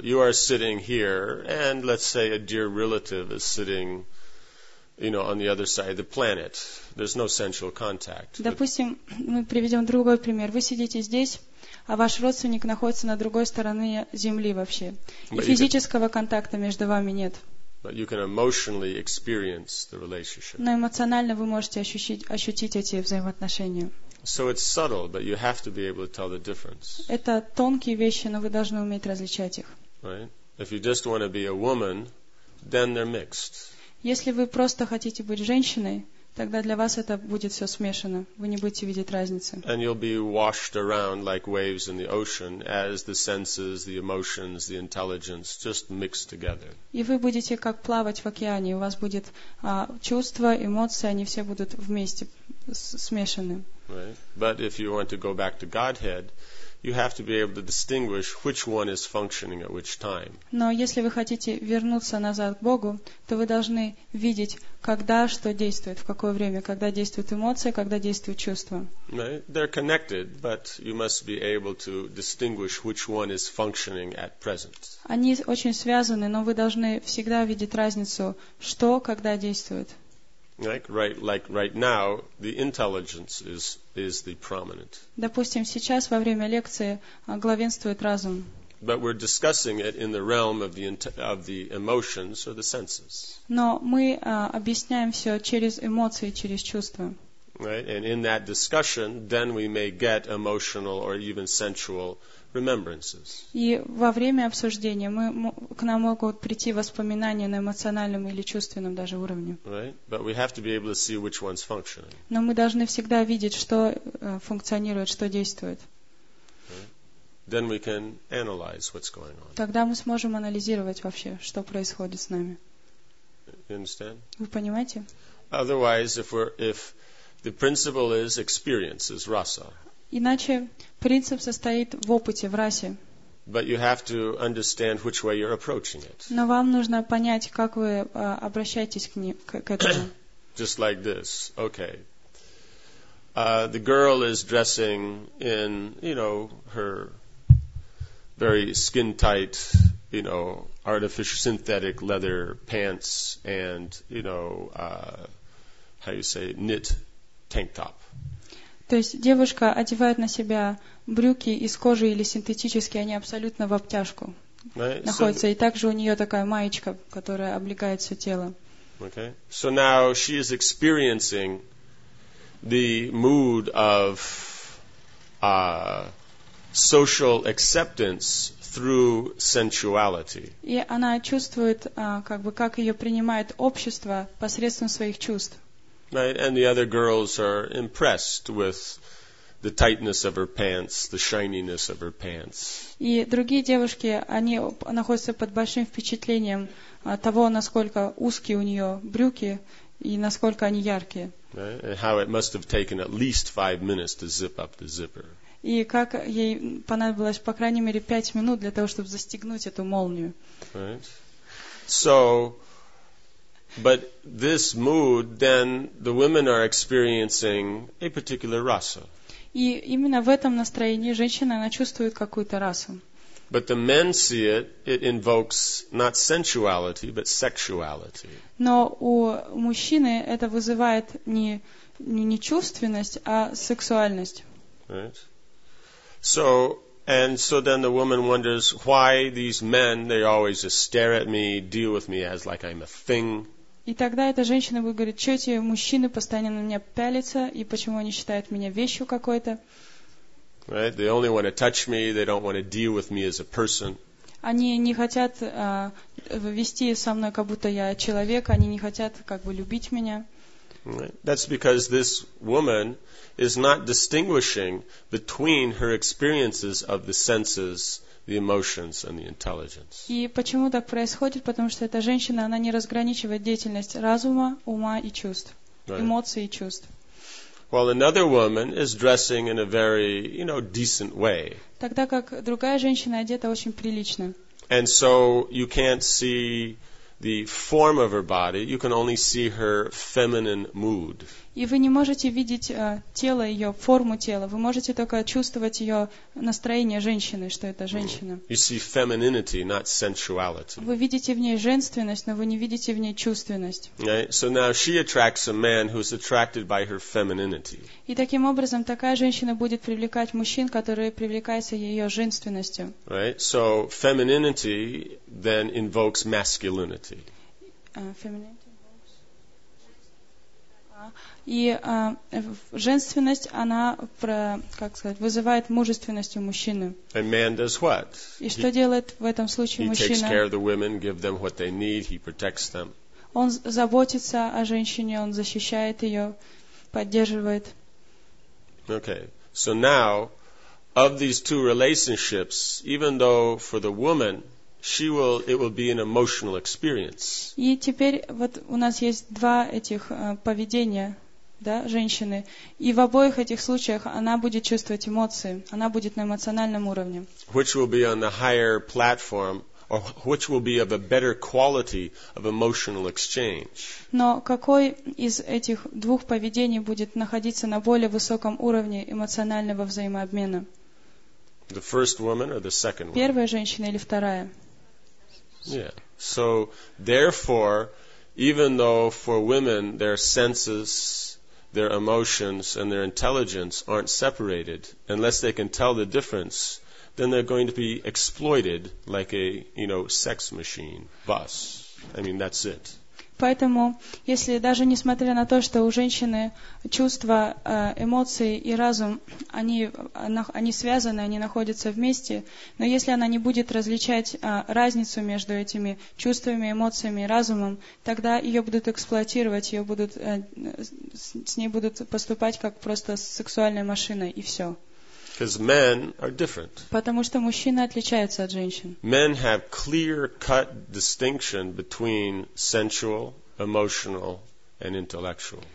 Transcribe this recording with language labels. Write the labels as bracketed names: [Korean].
[English] You are sitting here, and let's say a dear relative is sitting, you know, on the other side of the planet. There's no sensual contact. [Russian] Допустим, мы приведем другой пример. Вы сидите здесь, а ваш родственник находится на другой стороне Земли вообще. И физического контакта между вами нет. [English] But you can emotionally experience the relationship. [Russian] Но эмоционально вы можете ощутить эти взаимоотношения. [English] So it's subtle, but you have to be able to tell the difference. [Russian] Это тонкие вещи, но вы должны уметь различать их. [English] Right? If you just want to be a woman, then they're mixed. [Russian] Если вы просто хотите быть женщиной, тогда для вас это будет все смешано. Вы не будете видеть разницы. [English] And you'll be washed around like waves in the ocean as the senses, the emotions, the intelligence just mix together. [Russian] И вы будете как плавать в океане. У вас будет чувства, эмоции, они все будут вместе смешаны. [English] Right. But if you want to go back to Godhead, you have to be able to distinguish which one is functioning at which time. [Russian] Но если вы хотите вернуться назад к Богу, то вы должны видеть, когда что действует, в какое время, когда действуют эмоции, когда действуют чувства. [English] They're connected, but you must be able to distinguish which one is functioning at present. [Russian] Они очень связаны, но вы должны всегда видеть разницу, что когда действует. [English] Like right now, the intelligence is the prominent. [Russian] Допустим, сейчас во время лекции главенствует разум. [English] But we're discussing it in the realm of the emotions or the senses. [Russian] Но мы объясняем все через эмоции, через чувства. [English] Right, and in that discussion, then we may get emotional or even sensual remembrances. [Russian] И во время обсуждения к нам могут прийти воспоминания на эмоциональном или чувственном даже уровне. [English] Right, but we have to be able to see which one's functioning. [Russian] Но мы должны всегда видеть, что функционирует, что действует. [English] Right. Then we can analyze what's going on. [Russian] Тогда мы сможем анализировать вообще, что происходит с нами. [English] You understand? [Russian] Вы понимаете? [English] Otherwise, if the principle is experience, is rasa. [Russian] Иначе принцип состоит в опыте, в расе. [English] But you have to understand which way you're approaching it. [Russian] Но вам нужно понять, как вы обращаетесь к этому. [English] Just like this. Okay. The girl is dressing in, you know, her very skin tight, you know, artificial synthetic leather pants and, you know, how you say, knit tank top. [Russian] То есть девушка одевает на себя брюки из кожи или синтетические, они абсолютно в обтяжку находятся. И также у нее такая маечка, которая облегает все тело. [English] Okay. So now she is experiencing the mood of social acceptance through sensuality. [Russian] И она чувствует, как бы, как ее принимает общество посредством своих чувств. [English] Right, and the other girls are impressed with the tightness of her pants, the shininess of her pants. [Russian] И другие девушки, они находятся под большим впечатлением того, насколько узкие у нее брюки и насколько они яркие. [English] And how it must have taken at least 5 minutes to zip up the zipper. [Russian] И как ей понадобилось по крайней мере 5 минут для того, чтобы застегнуть эту молнию. [English] Right. So, but this mood, then the women are experiencing a particular rasa. [Russian] И именно в этом настроении женщина она чувствует какую-то расу. [English] But the men see it, it invokes not sensuality, but sexuality. [Russian] Но у мужчины это вызывает не чувственность, а сексуальность. [English] Right. So, and so then the woman wonders why these men, they always just stare at me, deal with me as like I'm a thing. [Russian] И тогда эта женщина будет говорить, что эти мужчины постоянно на меня пялятся, и почему они считают меня вещью какой-то. [English] Right? They only want to touch me, they don't want to deal with me as a person. [Russian] Они не хотят вести со мной, как будто я человек, они не хотят как бы любить меня. [English] Right. That's because this woman is not distinguishing between her experiences of the senses, the emotions and the intelligence. [Russian] И почему так происходит? Потому что эта женщина, она не разграничивает деятельность разума, ума и чувств, right. Эмоций и чувств. [English] While another woman is dressing in a very, you know, decent way. [Russian] Тогда как другая женщина одета очень прилично. [English] And so you can't see the form of her body, you can only see her feminine mood. [Russian] И вы не можете видеть тело ее, форму тела. Вы можете только чувствовать ее настроение женщины, что это женщина. [English] You see femininity, not sensuality. [Russian] Вы видите в ней женственность, но вы не видите в ней чувственность. [English] Okay? So now she attracts a man who is attracted by her femininity. [Russian] И таким образом такая женщина будет привлекать мужчин, которые привлекаются ее женственностью. [English] Right? So femininity then invokes masculinity. [Russian] И женственность, она, как сказать, вызывает мужественность у мужчины. [English] And man does what? [Russian] И что делает в этом случае мужчина? [English] He takes care of the women, give them what they need, he protects them. [Russian] Он заботится о женщине, он защищает ее, поддерживает. [English] Okay. So now, of these two relationships, even though for the woman, it will be an emotional experience. [Russian] И теперь вот у нас есть два этих поведения. Да, женщины. И в обоих этих случаях она будет чувствовать эмоции. Она будет на эмоциональном уровне. [English] Which will be on the higher platform, or which will be of a better quality of emotional exchange? [Russian] Но какой из этих двух поведений будет находиться на более высоком уровне эмоционального взаимообмена? [English] The first woman or the second woman? [Russian] Первая женщина или вторая? [English] Yeah. So therefore, even though for women their senses, their emotions and their intelligence aren't separated, unless they can tell the difference, then they're going to be exploited like a, you know, sex machine, bus. I mean, that's it. [Russian] Поэтому, если даже несмотря на то, что у женщины чувства, эмоции и разум, они связаны, они находятся вместе, но если она не будет различать разницу между этими чувствами, эмоциями и разумом, тогда ее будут эксплуатировать, ее будут, с ней будут поступать как просто с сексуальной машиной, и все. [English] Because men are different. [Russian] Потому что мужчины отличаются от женщин. [English] Men have clear-cut distinction between sensual, emotional, and intellectual.